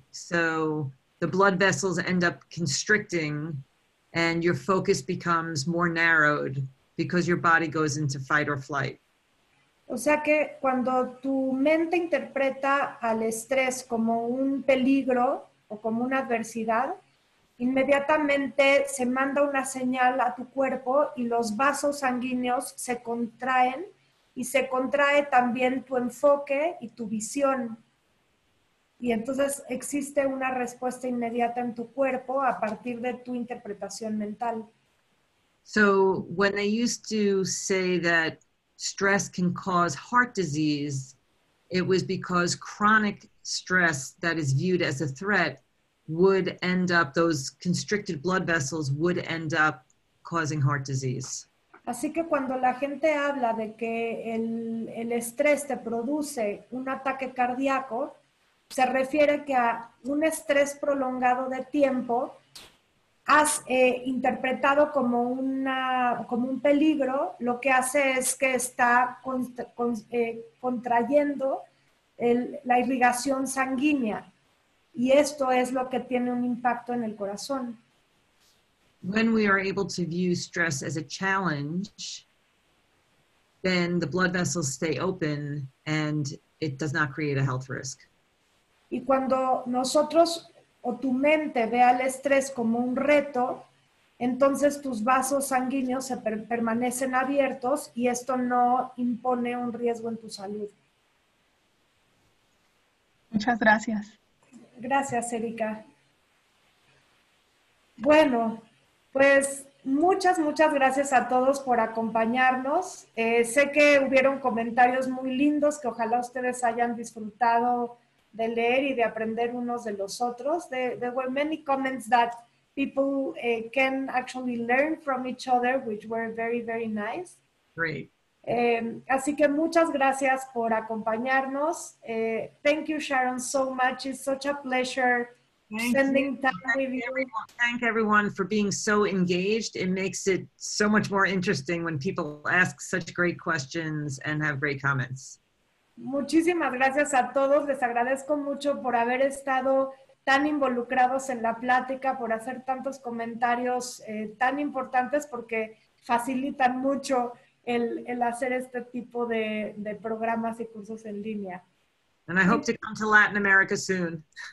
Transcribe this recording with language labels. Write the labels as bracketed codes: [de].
[en] So the blood vessels end up constricting and your focus becomes more narrowed because your body goes into fight or flight. [es] O sea que cuando tu mente interpreta al estrés como un peligro o como una adversidad, inmediatamente se manda una señal a tu cuerpo y los vasos sanguíneos se contraen y se contrae también tu enfoque y tu visión. Y entonces existe una respuesta inmediata en tu cuerpo a partir de tu interpretación mental. [en] So when they used to say that stress can cause heart disease, it was because chronic stress that is viewed as a threat would end up, those constricted blood vessels would end up causing heart disease. [es] Así que cuando la gente habla de que el estrés te produce un ataque cardíaco, se refiere que a un estrés prolongado de tiempo has interpretado como un peligro, lo que hace es que está contrayendo la irrigación sanguínea. Y esto es lo que tiene un impacto en el corazón. [en] When we are able to view stress as a challenge, then the blood vessels stay open and it does not create a health risk. [es] Y cuando nosotros o tu mente ve al estrés como un reto, entonces tus vasos sanguíneos se permanecen abiertos y esto no impone un riesgo en tu salud. Muchas gracias. Gracias, Erika. Bueno, pues Muchas, muchas gracias a todos por acompañarnos. Sé que hubieron comentarios muy lindos que ojalá ustedes hayan disfrutado de leer y de aprender unos de los otros. [en] There were many comments that people can actually learn from each other, which were very, very nice. Great. [es] Así que muchas gracias por acompañarnos. [en] Thank you, Sharon, so much. It's such a pleasure. Thank everyone for being so engaged. It makes it so much more interesting when people ask such great questions and have great comments. [es] Muchísimas gracias a todos. Les agradezco mucho por haber estado tan involucrados en la plática, por hacer tantos comentarios tan importantes porque facilitan mucho el hacer este tipo de programas y cursos en línea. [en] And I hope to come to Latin America soon.